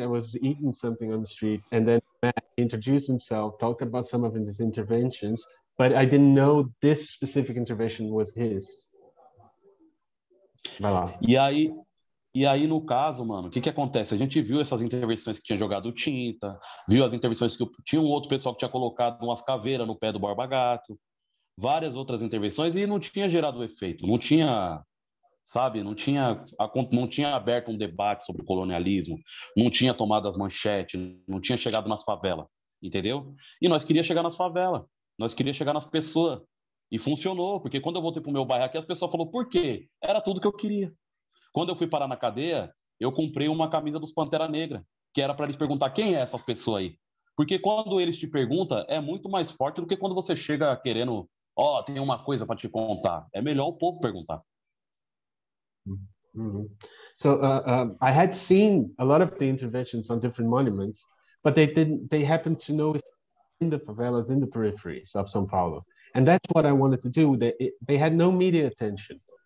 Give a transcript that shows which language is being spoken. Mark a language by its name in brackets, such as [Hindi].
[English] I was eating something on the street, and then he introduced himself, talked about some of his interventions, but I didn't know this specific intervention was his. [Portuguese] Vai lá. E aí, no caso, mano, o que acontece? A gente viu essas intervenções que tinha jogado tinta, viu as intervenções que tinha um outro pessoal que tinha colocado umas caveiras no pé do Borba Gato, várias outras intervenções, e não tinha gerado efeito, não tinha... Sabe, não tinha aberto um debate sobre o colonialismo, não tinha tomado as manchetes, não tinha chegado nas favelas, entendeu? E nós queríamos chegar nas favelas, nós queríamos chegar nas pessoas. E funcionou, porque quando eu voltei pro meu bairro aqui, as pessoas falaram, por quê? Era tudo que eu queria. Quando eu fui parar na cadeia, eu comprei uma camisa dos Pantera Negra, que era para eles perguntar quem é essas pessoas aí. Porque quando eles te perguntam, é muito mais forte do que quando você chega querendo, ó, tem uma coisa para te contar. É melhor o povo perguntar. Mm-hmm. [English] So I had seen a lot of the interventions on different monuments, but they happened to know it in the favelas, in the peripheries of São Paulo. And that's what I wanted to do. They had no media attention.